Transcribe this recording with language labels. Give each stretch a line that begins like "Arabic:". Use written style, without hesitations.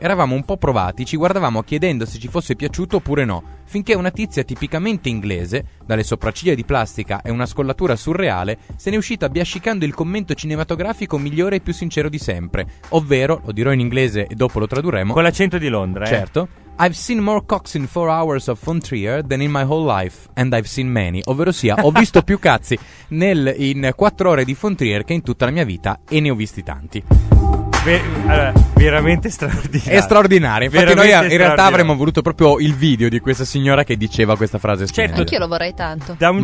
Italian: Eravamo un po' provati, ci guardavamo chiedendo se ci fosse piaciuto oppure no. Finché una tizia tipicamente inglese, dalle sopracciglia di plastica e una scollatura surreale, se n'è uscita biascicando il commento cinematografico migliore e più sincero di sempre. Ovvero, lo dirò in inglese e dopo lo tradurremo. Con l'accento di Londra, eh. Certo.
English: I've seen more cocks in 4 hours of von Trier than in my whole life, and I've seen many.
Italian: Ovvero sia, ho visto più cazzi in 4 ore di von Trier che in tutta la mia vita, e ne ho visti tanti. Veramente straordinario. È straordinario. Infatti veramente noi straordinario. In realtà avremmo voluto proprio il video di questa signora che diceva questa frase. Certo, anch'io lo vorrei tanto.